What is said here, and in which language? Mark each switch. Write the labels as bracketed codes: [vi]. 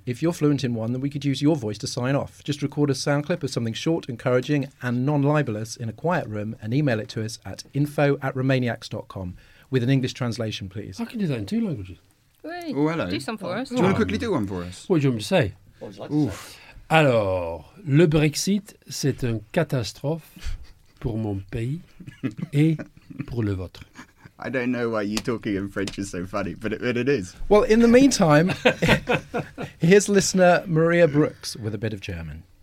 [en] If you're fluent in one, then we could use your voice to sign off. Just record a sound clip of something short, encouraging and non-libelous in a quiet room and email it to us at info@romaniacs.com with an English translation, please. I can do that in two languages. Oh, hello. Do some for us. Do you want to quickly do one for us? What do you want me to say? [fr] Alors, le Brexit, c'est une catastrophe pour mon pays et pour le vôtre. [en] I don't know why you talking in French is so funny, but it is. Well, in the meantime, here's listener Maria Brooks with a bit of German.